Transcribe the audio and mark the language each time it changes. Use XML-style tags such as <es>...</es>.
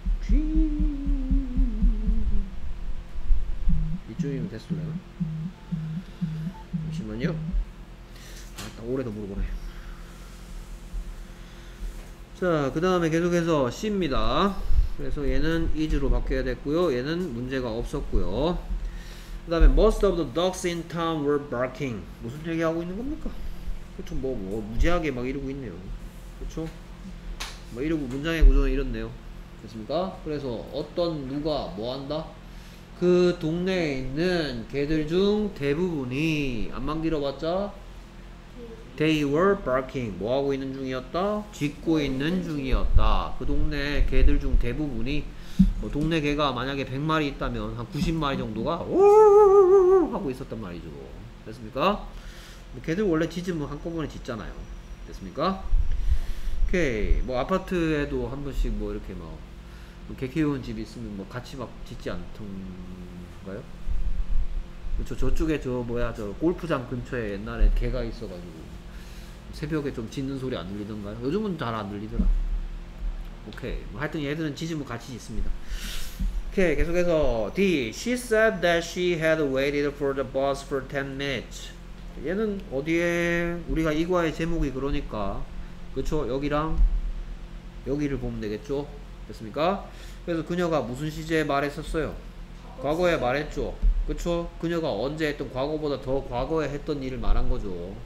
<ko>이쯤이면 됐을래요? 잠시만요. 아, 딱 올해 더 물어보네. 자, 그 다음에 계속해서 C입니다. 그래서 얘는 is로 바뀌어야 됐고요. 얘는 문제가 없었고요. 그 다음에</ko> <en>most of the dogs in town were barking.</en> <ko>무슨 얘기하고 있는 겁니까? 그쵸, 뭐 무지하게 막 이러고 있네요. 그쵸? 뭐 이러고 문장의 구조는 이렇네요. 됐습니까? 그래서 어떤 누가 뭐 한다? 그 동네에 있는 개들 중 대부분이 안만 길어봤자</ko> <en>they were barking.</en> <ko>뭐 하고 있는 중이었다? 짖고 있는 중이었다. 그 동네에 개들 중 대부분이 뭐 동네 개가 만약에 100마리 있다면 한 90마리 정도가 오오오오 하고 있었단 말이죠. 됐습니까? 뭐 개들 원래 짖으면 한꺼번에 짖잖아요. 됐습니까? 오케이. 뭐 아파트에도 한 번씩 뭐 이렇게 막 개 키우는 집 있으면 뭐 같이 막 짖지 않던가요? 저 저쪽에 저 뭐야 저 골프장 근처에 옛날에 개가 있어가지고 새벽에 좀 짖는 소리 안 들리던가요? 요즘은 잘 안 들리더라. 오케이. 뭐 하여튼 얘들은 짖으면 같이 짖습니다. 오케이. 계속해서 D.</ko> <en>She said that she had waited for the bus for 10 minutes.</en> <ko>얘는 어디에 우리가 이과의 제목이 그러니까 그쵸? 여기랑 여기를 보면 되겠죠? 됐습니까? 그래서 그녀가 무슨 시제에 말했었어요? 과거에 말했죠. 그쵸? 그녀가 언제 했던 과거보다 더 과거에 했던 일을 말한 거죠.</ko>